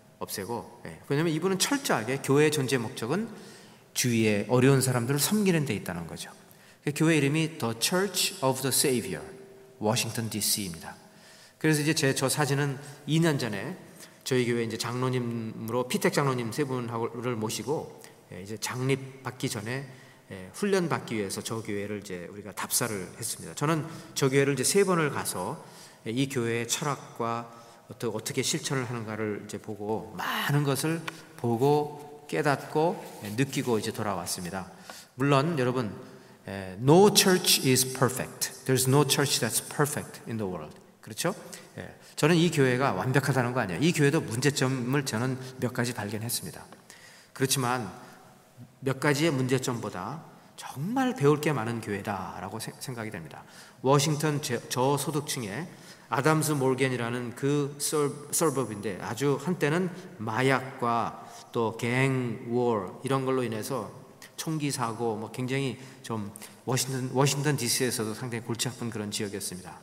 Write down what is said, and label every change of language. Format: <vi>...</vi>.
<ko>없애고, 왜냐하면 이분은 철저하게 교회의 존재 목적은 주위의 어려운 사람들을 섬기는 데 있다는 거죠. 교회 이름이 The Church of the Savior, Washington DC입니다. 그래서 이제 저 사진은 2년 전에 저희 교회 이제 장로님으로 피택 장로님 세 분을 모시고 이제 장립 받기 전에 훈련 받기 위해서 저 교회를 이제 우리가 답사를 했습니다. 저는 저 교회를 이제 세 번을 가서 이 교회의 철학과 어떻게 실천을 하는가를 이제 보고 많은 것을 보고 깨닫고 느끼고 이제 돌아왔습니다. 물론 여러분,</ko> <en>no church is perfect. There's no church that's perfect in the world.</en> <ko>그렇죠? 저는 이 교회가 완벽하다는 거 아니에요. 이 교회도 문제점을 저는 몇 가지 발견했습니다. 그렇지만 몇 가지의 문제점보다 정말 배울 게 많은 교회다라고 생각이 됩니다. 워싱턴 저소득층에 아담스 몰겐이라는 그 서버인데 아주 한때는 마약과 또 갱, 워 이런 걸로 인해서 총기 사고 뭐 굉장히 좀 워싱턴 DC에서도 상당히 골치 아픈 그런 지역이었습니다.</ko>